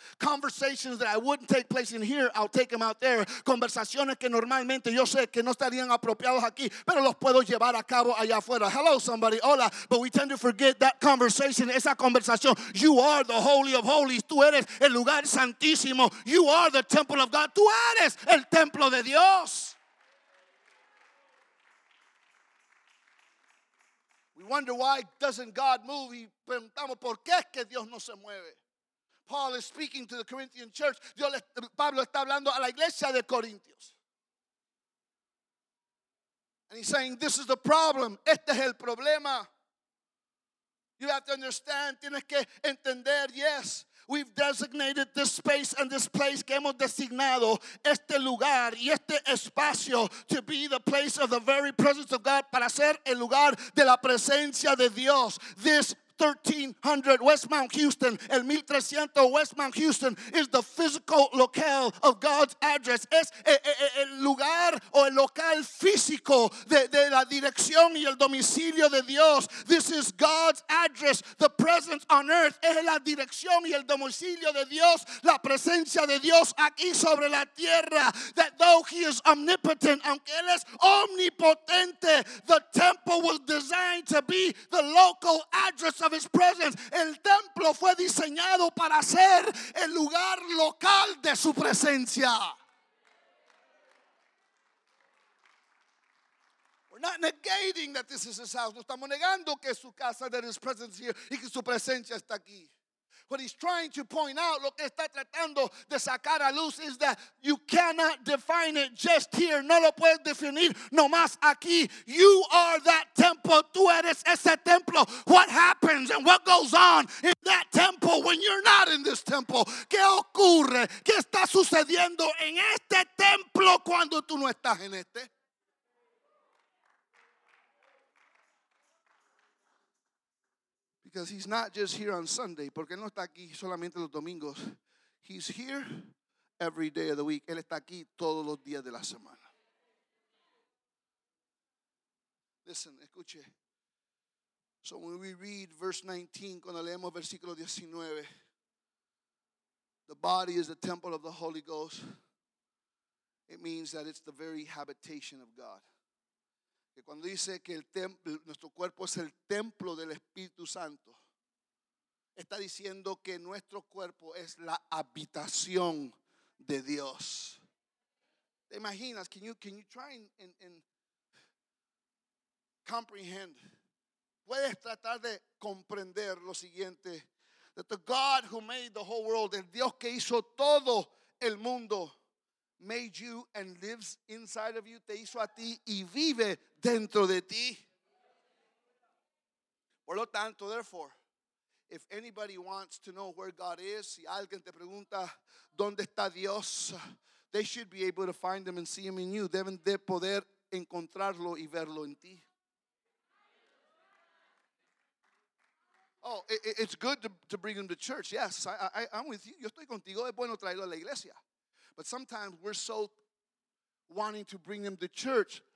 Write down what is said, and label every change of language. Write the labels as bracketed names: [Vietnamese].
[English] Conversations that I wouldn't take place in here, I'll take them out there. [Spanish] Conversaciones que normalmente yo sé que no estarían apropiados aquí, pero los puedo llevar a cabo allá afuera. [English] Hello, somebody. [Spanish] Hola. [English] But we tend to forget that conversation, [Spanish] esa conversación. [English] You are the Holy of Holies. [Spanish] Tú eres el lugar santísimo. [English] You are the temple of God. [Spanish] Tú eres el templo de Dios. [English] We wonder why doesn't God move. [Spanish] Y preguntamos por qué es que Dios no se mueve. [English] Paul is speaking to the Corinthian church. [Spanish] Pablo está hablando a la iglesia de Corintios. [English] And he's saying, this is the problem. [Spanish] Este es el problema. [English] You have to understand. [Spanish] Tienes que entender, yes. [English] We've designated this space and this place [Spanish] que hemos designado este lugar y este espacio [English] to be the place of the very presence of God [Spanish] para ser el lugar de la presencia de Dios. [English] This 1300 Westmount Houston, [Spanish] el 1300 Westmount Houston [English] is the physical locale of God's address. [Spanish] Es el lugar o el local físico de la dirección y el domicilio de Dios. [English] This is God's address, the presence on earth. [Spanish] Es la dirección y el domicilio de Dios, la presencia de Dios aquí sobre la tierra. [English] That though he is omnipotent, [Spanish] aunque él es omnipotente, [English] the temple was designed to be the local address of his presence. [Spanish] El templo fue diseñado para ser el lugar local de su presencia. [English] We're not negating that this is his house. [Spanish] No estamos negando que su casa, [English] that his presence here, [Spanish] y que su presencia está aquí. [English] What he's trying to point out, [Spanish] lo que está tratando de sacar a luz, [English] is that you cannot define it just here. [Spanish] No lo puedes definir nomás aquí. [English] You are that temple. [Spanish] Tú eres ese templo. [English] What happens and what goes on in that temple when you're not in this temple? [Spanish] ¿Qué ocurre? ¿Qué está sucediendo en este templo cuando tú no estás en este? [English] Because he's not just here on Sunday. [Spanish] Porque no está aquí solamente los domingos. [English] He's here every day of the week. [Spanish] Él está aquí todos los días de la semana. [English] Listen, [Spanish] escuche. [English] So when we read verse 19, [Spanish] cuando leemos versículo 19, [English] the body is the temple of the Holy Ghost. It means that it's the very habitation of God. [Spanish] Que cuando dice que el templo, nuestro cuerpo es el templo del Espíritu Santo, está diciendo que nuestro cuerpo es la habitación de Dios. ¿Te imaginas? [English] Can you try and comprehend? [Spanish] ¿Puedes tratar de comprender lo siguiente? [English] That the God who made the whole world, [Spanish] el Dios que hizo todo el mundo, [English] made you and lives inside of you, [Spanish] te hizo a ti y vive dentro de ti. Por lo tanto, [English] therefore, if anybody wants to know where God is, [Spanish] si alguien te pregunta dónde está Dios, [English] they should be able to find him and see him in you. [Spanish] Deben de poder encontrarlo y verlo en ti. [English] Oh, it's good to bring him to church. Yes, I'm with you. [Spanish] Yo estoy contigo. Es bueno traerlo a la iglesia. [English] But sometimes we're so wanting to bring them to church.